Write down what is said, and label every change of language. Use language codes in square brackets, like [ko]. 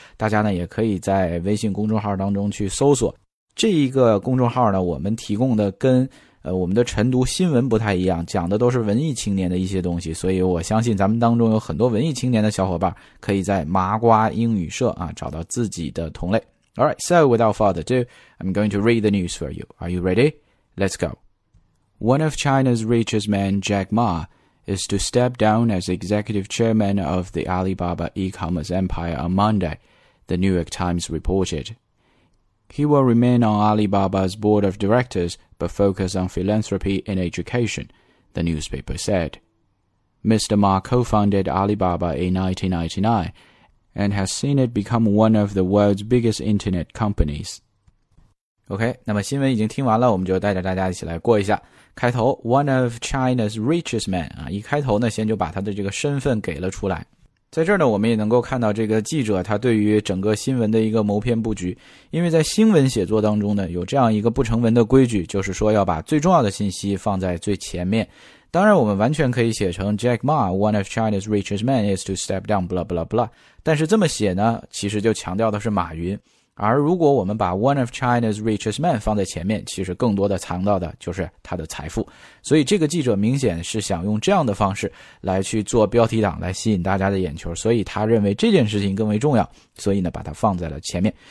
[zh] 大家呢也可以在微信公众号当中去搜索这一个公众号呢，我们提供的跟我们的晨读新闻不太一样，讲的都是文艺青年的一些东西，所以我相信咱们当中有很多文艺青年的小伙伴可以在麻瓜英语社啊找到自己的同类。 [en] Alright, so without further ado, I'm going to read the news for you. Are you ready? Let's go. One of China's richest men, Jack Ma, is to step down as executive chairman of the Alibaba e-commerce empire on Monday, the New York Times reported. He will remain on Alibaba's board of directors but focus on philanthropy and education, the newspaper said. Mr. Ma co-founded Alibaba in 1999,and has seen it become one of the world's biggest internet companies. [zh] OK, 那么新闻已经听完了，我们就带着大家一起来过一下。开头 , [en] one of China's richest men, [zh] 啊，一开头呢先就把他的这个身份给了出来。在这儿呢，我们也能够看到这个记者他对于整个新闻的一个谋篇布局。因为在新闻写作当中呢，有这样一个不成文的规矩，就是说要把最重要的信息放在最前面。当然我们完全可以写成 [en] Jack Ma, one of China's richest men is to step down, blah, blah, blah. [zh] 但是这么写呢，其实就强调的是马云。而如果我们把 [en] one of China's richest men [zh] 放在前面，其实更多的藏到的就是他的财富。所以这个记者明显是想用这样的方式来去做标题党，来吸引大家的眼球。所以他认为这件事情更为重要，所以呢把它放在了前面。